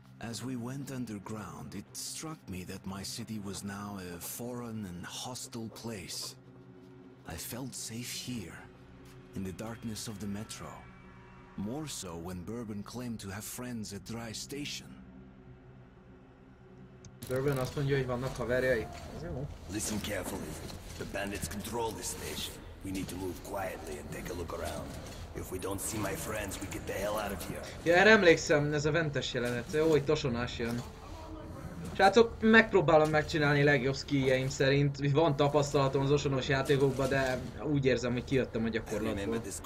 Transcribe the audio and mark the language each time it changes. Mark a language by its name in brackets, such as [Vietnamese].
[English] As we went underground, it struck me that my city was now a foreign and hostile place. I felt safe here, in the darkness of the metro. More so when Bourbon claimed to have friends at Dry Station. [Hungarian] Bourbon azt mondja, hogy vannak haverjai. [English] Listen carefully. The bandits control this station. We need to move quietly and take a look around. If we don't see my friends, we get the hell out of here. [Hungarian] Ja, erre emlékszem, ez a ventes jelenet. Jó, hogy tosonás jön. Srácok, megpróbálom megcsinálni legjobb skilljeim szerint. Van tapasztalatom az osonos játékokban, de úgy érzem, hogy kijöttem a gyakorlatból.